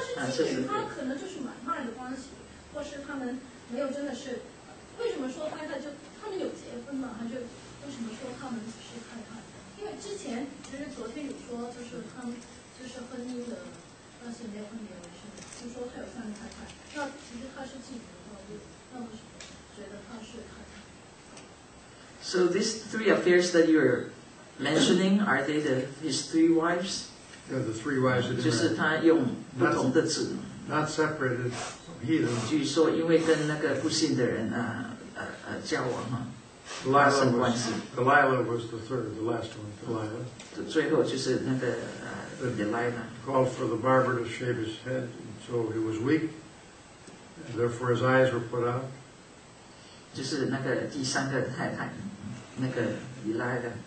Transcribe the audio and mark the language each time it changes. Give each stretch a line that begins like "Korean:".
Chinese: 他可能就是买卖的关系，或是他们没有真的是，为什么说太太就他们有结婚嘛，还是为什么说他们只是太太？因为之前其实昨天有说，就是他们就是婚姻的但是没有分别为圣的，就说他有三个太太，那其实他是自己的道路，那为什么觉得他是太太？
English: So these three affairs that you are mentioning, are they the, his three wives? Yeah, the three wives of
Chinese: Israel. 就是他用不同的字。
English: Not separated from heathen.
Chinese: 据说因为跟那个不信的人交往哈。
English: Delilah was the third, the last one, Delilah.
Chinese: 最后就是那个Delilah.
English: Called for the barber to shave his head, and so he was weak, and therefore his eyes were put out.
Chinese: 就是那个第三个太太，那个Delilah。